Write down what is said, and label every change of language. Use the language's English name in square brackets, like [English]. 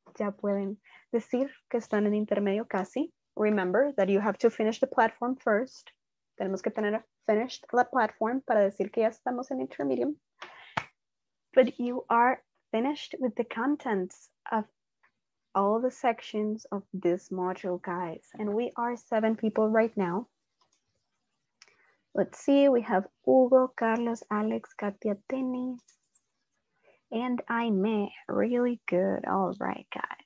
[Spanish] Ya pueden decir que están en intermedio casi. [English] Remember that you have to finish the platform first. [Spanish] Tenemos que tener finished la platform para decir que ya estamos en intermedium. [English] But you are finished with the contents of all the sections of this module, guys. And we are 7 people right now. Let's see, we have Hugo, Carlos, Alex, Katia, Tenny, and Aime. Really good. All right, guys.